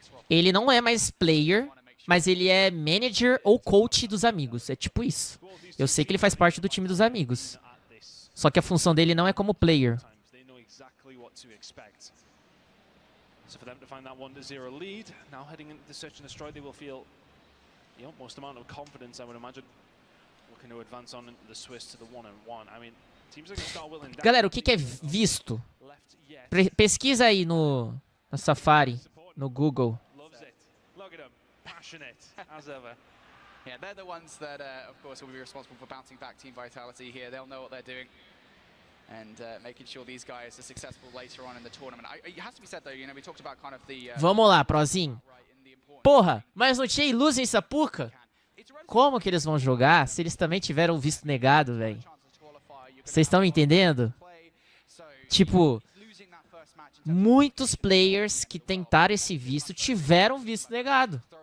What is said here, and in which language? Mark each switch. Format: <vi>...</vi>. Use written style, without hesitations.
<pt>Ele não é mais player, mas ele é manager ou coach dos amigos. É tipo isso. Eu sei que ele faz parte do time dos amigos. Só que a função dele não é como player.</pt> <en>So for them to find that 1-0 lead, now heading into the search and destroy, they will feel the utmost amount of confidence, I would imagine, looking to advance on the Swiss to the 1-1. I mean, teams are going to start willing.</en> <pt>Galera, o que é visto? Pesquisa aí no Safari, no Google.</pt> <en>Loves it. Look at him. Passionate as ever. Yeah, they're the ones that of course will be responsible for bouncing back Team Vitality here. They'll know what they're doing. And making sure these guys are successful later on in the tournament. It has to be said though, you know, we talked about kind of the.</en> <pt>Vamos lá, Prozinho. Porra, mas não tinha Illusion em Sapuca? Como que eles vão jogar se eles também tiveram visto negado, velho? Vocês estão me entendendo? Tipo, muitos players que tentaram esse visto tiveram visto negado.</pt>